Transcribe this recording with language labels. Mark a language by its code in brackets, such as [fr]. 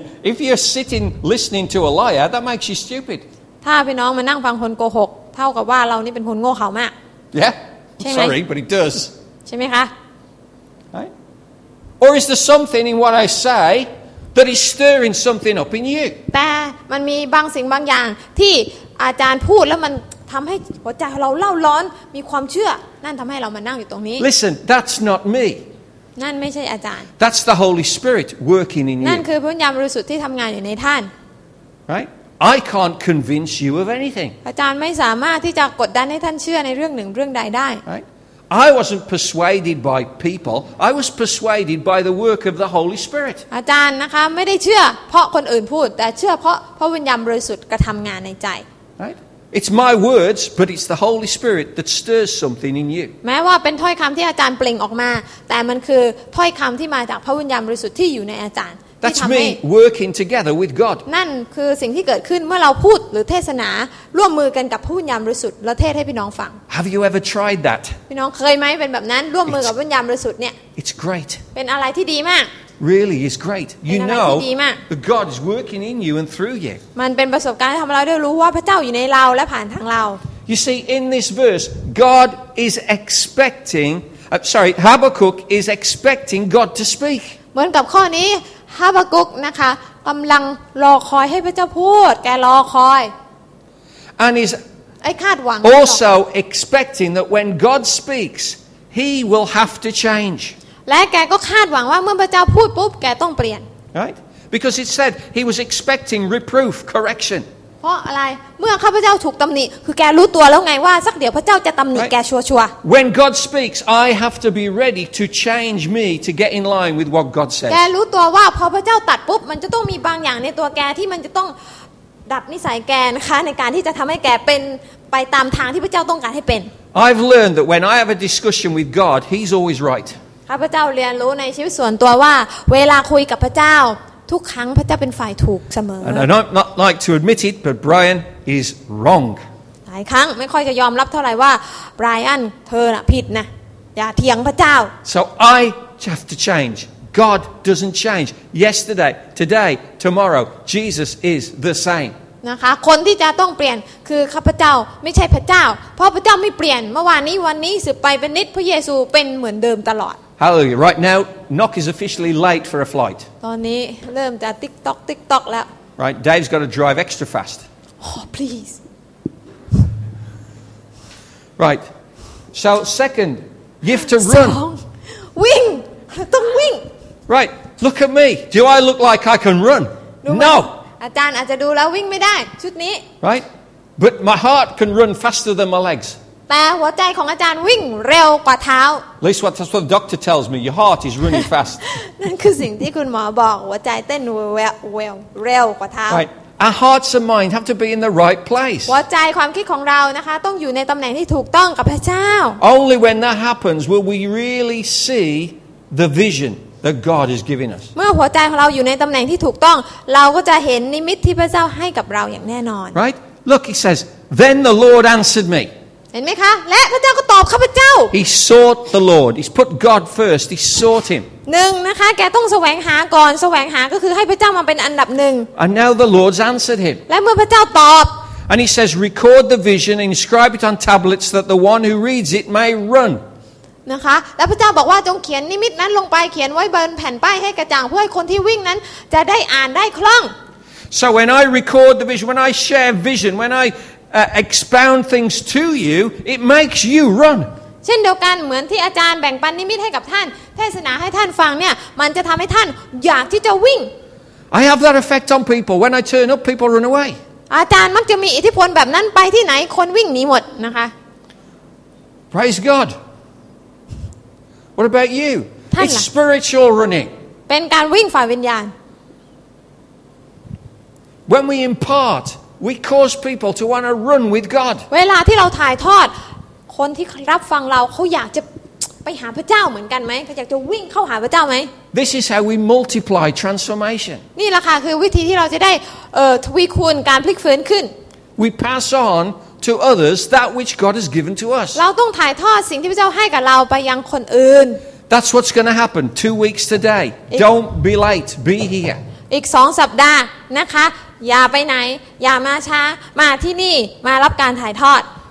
[en] If you're sitting listening to a liar, that makes you stupid. [th] ถ้าพี่น้องมานั่งฟังคนโกหกเท่ากับว่าเรานี่เป็นคนโง่เขลามาก [en] Yeah. Sorry, but it does. [th] ใช่ไหมคะ [en] Right? Or is there something in what I say that is stirring something up in you? [th] แต่มันมีบางสิ่งบางอย่างที่อาจารย์พูดแล้วมันทำให้หัวใจเราเล่าร้อนมีความเชื่อนั่นทำให้เรามานั่งอยู่ตรงนี้ [en] Listen that's not me [th] นั่นไม่ใช่อาจารย์ [en] That's the Holy Spirit working in you [th] นั่นคือพระวิญญาณบริสุทธิ์ที่ทำงานอยู่ในท่าน [en] Right I can't convince you of anything [th] อาจารย์ไม่สามารถที่จะกดดันให้ท่านเชื่อในเรื่องหนึ่งเรื่องใดได้ [en] Right I wasn't persuaded by people I was persuaded by the work of the Holy Spirit [th] อาจารย์นะคะไม่ได้เชื่อเพราะคนอื่นพูดแต่เชื่อเพราะพระวิญญาณบริสุทธิ์กระทำงานในใจ [en] Right? It's my words, but it's the Holy Spirit that stirs something in you. [th] แม้ว่าเป็นถ้อยคำที่อาจารย์เปล่งออกมาแต่มันคือถ้อยคำที่มาจากพระวิญญาณบริสุทธิ์ที่อยู่ในอาจารย์ [en] That's me working together with God. [th] นั่นคือสิ่งที่เกิดขึ้นเมื่อเราพูดหรือเทศนาร่วมมือกันกับพระวิญญาณบริสุทธิ์แล้วเทศให้พี่น้องฟัง [en] Have you ever tried that? [th] พี่น้องเคยไหมเป็นแบบนั้นร่วมมือกับพระวิญญาณบริสุทธิ์เนี่ย [en] It's great. [th] เป็นอะไรที่ดีมาก [en] Really is great. You know that God is working in you and through you. [th] มันเป็นประสบการณ์ที่ทำให้เราได้รู้ว่าพระเจ้าอยู่ในเราและผ่านทางเรา [en] You see, in this verse, God is expecting. Sorry, Habakkuk is expecting God to speak. [th] เหมือนกับข้อนี้ Habakkuk นะคะกำลังรอคอยให้พระเจ้าพูดแกรอคอย [en] And is also expecting that when God speaks, he will have to change. [th] และแกก็คาดหวังว่าเมื่อพระเจ้าพูดปุ๊บแกต้องเปลี่ยน [en] Right because it said he was expecting reproof correction [th] เพราะอะไรเมื่อข้าพเจ้าถูกตำหนิคือแกรู้ตัวแล้วไงว่าสักเดี๋ยวพระเจ้าจะตำหนิแกชัว [en] ๆ When God speaks I have to be ready to change me to get in line with what God says [th] แกรู้ตัวว่าพอพระเจ้าตัดปุ๊บมันจะต้องมีบางอย่างในตัวแกที่มันจะต้องดับนิสัยแกนะคะในการที่จะทำให้แกเป็นไปตามทางที่พระเจ้าต้องการให้เป็น [en] I've learned that when I have a discussion with God he's always right [th] ข้าพเจ้าเรียนรู้ในชีวิตส่วนตัวว่าเวลาคุยกับพระเจ้าทุกครั้งพระเจ้าเป็นฝ่ายถูกเสมอ [en] And I not like to admit it but Brian is wrong [th] หลายครั้งไม่ค่อยจะยอมรับเท่าไหร่ว่า Brian เธอน่ะผิดนะอย่าเถียงพระเจ้า [en] So I have to change God doesn't change yesterday today tomorrow Jesus is the same [th] นะคะคนที่จะต้องเปลี่ยนคือข้าพเจ้าไม่ใช่พระเจ้าเพราะพระเจ้าไม่เปลี่ยนเมื่อวานนี้วันนี้สืบไปเป็นนิจพระเยซูเป็นเหมือนเดิมตลอด [en] Hallelujah. Right now, Nock is officially late for a flight. [th] ตอนนี้เริ่มจะติ๊กต๊อกติ๊กต๊อกแล้ว [en] Right, Dave's got to drive extra fast. Oh, please. Right. So, second, you have to run. [th] Wing. ต้องวิ่ง [en] Right. Look at me. Do I look like I can run? No. [th] อาจารย์อาจจะดูแล้ววิ่งไม่ได้ชุดนี้ [en] Right. But my heart can run faster than my legs. [th] แต่หัวใจของอาจารย์วิ่งเร็วกว่าเท้า [en] Listen what the doctor tells me your heart is running fast [th] นั่นคือสิ่งที่คุณหมอบอกหัวใจเต้นเร็วกว่าเท้า [en] Right our hearts and mind have to be in the right place [th] หัวใจความคิดของเรานะคะต้องอยู่ในตำแหน่งที่ถูกต้องกับพระเจ้า [en] Only when that happens will we really see the vision that God has given us [th] เมื่อหัวใจของเราอยู่ในตำแหน่งที่ถูกต้องเราก็จะเห็นนิมิตที่พระเจ้าให้กับเราอย่างแน่นอน [en] Right look he says then the Lord answered me [th] เห็นไหมคะและพระเจ้าก็ตอบข้าพเจ้า [en] He sought the Lord. He put God first. He sought Him. [th] หนึ่งนะคะแกต้องแสวงหาก่อนแสวงหาก็คือให้พระเจ้ามาเป็นอันดับหนึ่ง [en] And now the Lord's answered him. [th] และเมื่อพระเจ้าตอบ [en] And He says, "Record the vision, inscribe it on tablets, that the one who reads it may run." [th] นะคะและพระเจ้าบอกว่าจงเขียนนิมิตนั้นลงไปเขียนไว้บนแผ่นป้ายให้กระจ่างเพื่อให้คนที่วิ่งนั้นจะได้อ่านได้คล่อง [en] So when I record the vision, when I share vision, when Iexpound things to you, it makes you run. [th] เช่นเดียวกันเหมือนที่อาจารย์แบ่งปันนิมิตให้กับท่านเทศนาให้ท่านฟังเนี่ยมันจะทำให้ท่านอยากที่จะวิ่ง [en] I have that effect on people. When I turn up, people run away. [th] อาจารย์มักจะมีอิทธิพลแบบนั้นไปที่ไหนคนวิ่งหนีหมดนะคะ [en] Praise God. What about you? It's spiritual running. [th] เป็นการวิ่งฝ่ายวิญญาณ [en] When we impartWe cause people to want to run with God. [th] เวลาที่เราถ่ายทอดคนที่รับฟังเราเขาอยากจะไปหาพระเจ้าเหมือนกันไหมเขาอยากจะวิ่งเข้าหาพระเจ้าไหม [en] This is how we multiply transformation. [th] นี่แหละค่ะคือวิธีที่เราจะได้ทวีคูณการพลิกฟื้นขึ้น [en] We pass on to others that which God has given to us. [th] เราต้องถ่ายทอดสิ่งที่พระเจ้าให้กับเราไปยังคนอื่น [en] That's what's going to happen 2 weeks today. Don't be late. Be here. [th] อีก2 สัปดาห์นะคะอย่าไปไหนอย่ามาช้ามาที่นี่มารับการถ่ายทอด